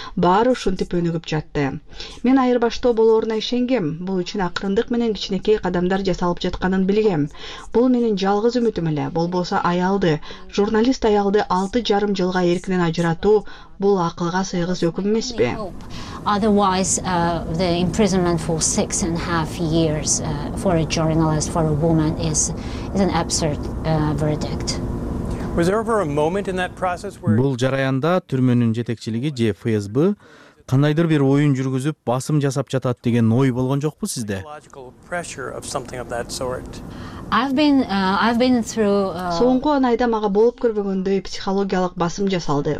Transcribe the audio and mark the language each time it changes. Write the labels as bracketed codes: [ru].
[ky] Баары ушинтип өнүгүп жатты. Мен айырбаштоо болооруна ишенгем. Бул үчүн акырындык менен кичинекей кадамдар жасалып жатканын билгем. Бул менин жалгыз үмүтүм эле. Болбосо аялды, журналист аялды 6.5 жылга эркинен ажыратуу бул акылга сыйгыз өкүм эмеспи? [en] Otherwise, the imprisonment for 6.5 years for a journalist, for a woman, is an absurd verdict. Was there ever a moment in that process where... [ky] Бул жараянда түрмөнүн жетекчилиги же ФСБ кандайдыр бир оюн жүргүзүп, басым жасап жатат деген ой болгон жокпу сизде? Соңку 10 айда мага болуп көрбөгөндөй психологиялык басым жасалды.